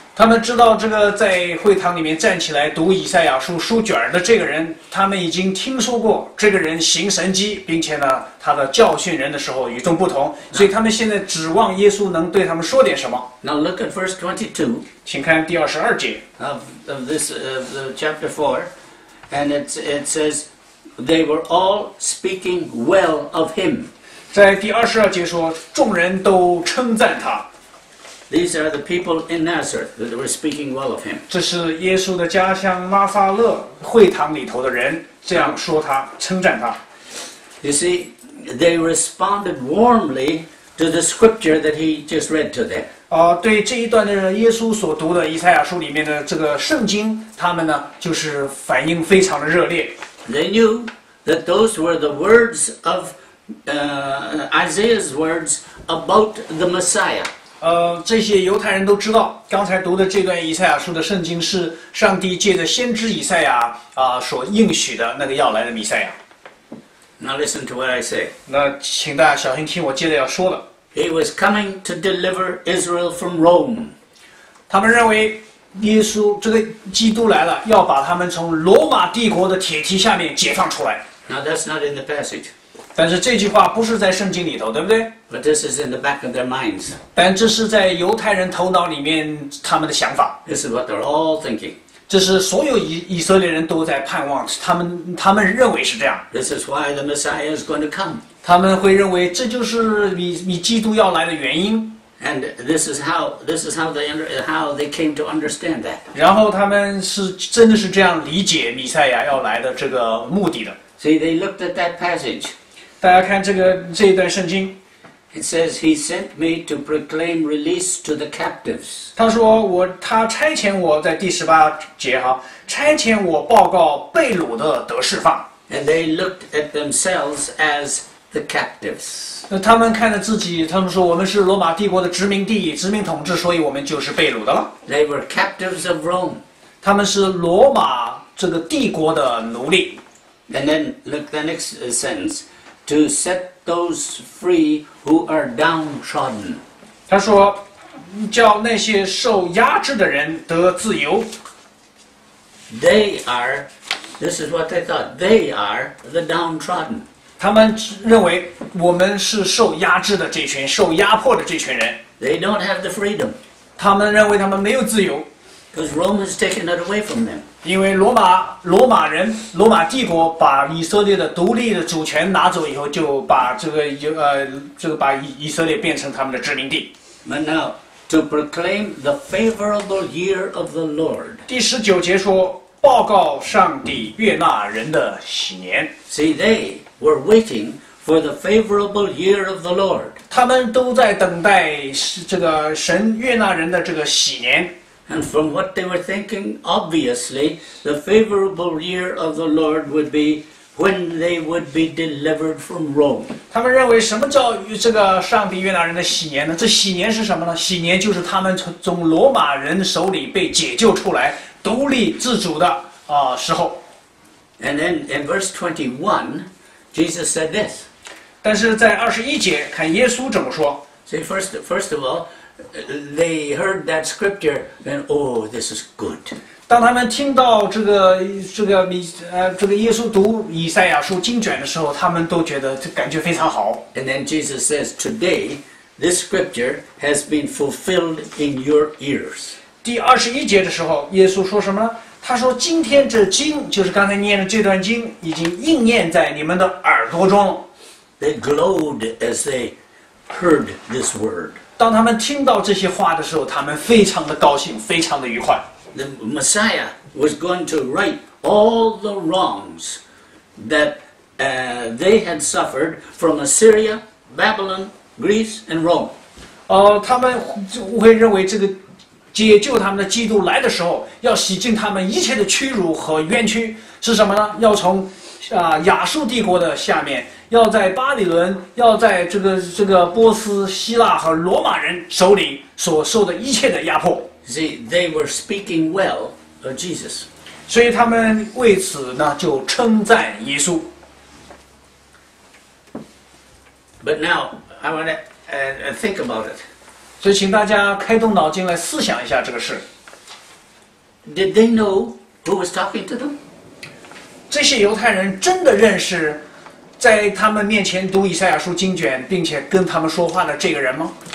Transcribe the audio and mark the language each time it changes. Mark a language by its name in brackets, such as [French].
[Chinese] 他们知道这个在会堂里面站起来读以赛亚书书卷的这个人，他们已经听说过这个人行神迹，并且呢，他的教训人的时候与众不同，所以他们现在指望耶稣能对他们说点什么。 [English] Now look at verse 22. [Chinese] 请看第二十二节 [English] of chapter 4, and it says they were all speaking well of him. [Chinese] 在第二十二节说，众人都称赞他。 [English] These are the people in Nazareth that were speaking well of him. [Chinese] 这是耶稣的家乡拉撒勒会堂里头的人这样说他，称赞他。 [English] You see, they responded warmly to the scripture that he just read to them. [Chinese] 对这一段的耶稣所读的以赛亚书里面的这个圣经，他们呢就是反应非常的热烈。 [English] They knew that those were the words of Isaiah's words about the Messiah. [Chinese] 这些犹太人都知道，刚才读的这段以赛亚书的圣经是上帝借着先知以赛亚所应许的那个要来的弥赛亚。 [English] Now listen to what I say. [Chinese] 那请大家小心听我接着要说的。 [English] He was coming to deliver Israel from Rome. [Chinese] 他们认为耶稣这个基督来了，要把他们从罗马帝国的铁蹄下面解放出来。 [English] Now that's not in the passage. [Chinese] 但是这句话不是在圣经里头，对不对？ [English] But this is in the back of their minds. [Chinese] 但这是在犹太人头脑里面他们的想法。 [English] This is what they're all thinking. [Chinese] 这是所有以色列人都在盼望，他们认为是这样。 [English] This is why the Messiah is going to come. [Chinese] 他们会认为这就是你基督要来的原因。 [English] And this is how they came to understand that. [Chinese] 然后他们是真的是这样理解弥赛亚要来的这个目的的。 [English] See, they looked at that passage. [Chinese] 大家看这一段圣经 [English] ，It says he sent me to proclaim release to the captives. [Chinese] 他说他差遣我在第十八节哈，差遣我报告被掳的得释放。 [English] And they looked at themselves as the captives. [Chinese] 那他们看着自己，他们说我们是罗马帝国的殖民地、殖民统治，所以我们就是被掳的了。 [English] They were captives of Rome. [Chinese] 他们是罗马这个帝国的奴隶。 [English] And then look the next sentence. To set those free who are downtrodden. [Chinese] 他说，叫那些受压制的人得自由。 [English] They are, this is what they thought, they are the downtrodden. [Chinese] 他们认为我们是受压制的这群，受压迫的这群人。 [English] They don't have the freedom. [Chinese] 他们认为他们没有自由。 [English] Because Rome has taken it away from them. [Chinese] 因为罗马人、罗马帝国把以色列的独立的主权拿走以后，就把把以色列变成他们的殖民地。 [English] But now, to proclaim the favorable year of the Lord. [Chinese] 第十九节说，报告上帝悦纳人的喜年。 [English] See, they were waiting for the favorable year of the Lord. [Chinese] 他们都在等待这个神悦纳人的这个喜年。 [English] And from what they were thinking, obviously, the favorable year of the Lord would be when they would be delivered from Rome. [Chinese] 他们认为什么叫这个上帝悦纳人的喜年呢？这喜年是什么呢？喜年就是他们从罗马人手里被解救出来，独立自主的时候。 [English] And then in verse 21, Jesus said this. [Chinese] 但是在二十一节，看耶稣怎么说。 [English] See, first of all. They heard that scripture, and oh, this is good. [Chinese] 当他们听到这个耶稣读以赛亚书经卷的时候，他们都觉得感觉非常好。 [English] And then Jesus says, "Today, this scripture has been fulfilled in your ears." [Chinese] 第二十一节的时候，耶稣说什么呢？他说：“今天这经，就是刚才念的这段经，已经应验在你们的耳朵中。” [English] They glowed as they heard this word. [Chinese] 当他们听到这些话的时候，他们非常的高兴，非常的愉快。 [English] The Messiah was going to right all the wrongs that they had suffered from Assyria, Babylon, Greece, and Rome. [Chinese] 他们会认为这个解救他们的基督来的时候，要洗净他们一切的屈辱和冤屈，是什么呢？要从亚述帝国的下面要在巴比伦，要在这个波斯、希腊和罗马人手里所受的一切的压迫。 [English] They were speaking well of Jesus. [Chinese] 所以他们为此呢就称赞耶稣。 [English] But now I want to think about it. [Chinese] 所以请大家开动脑筋来思想一下这个事。 [English] Did they know who was talking to them? [Chinese] 这些犹太人真的认识在他们面前读以赛亚书经卷并且跟他们说话的这个人吗？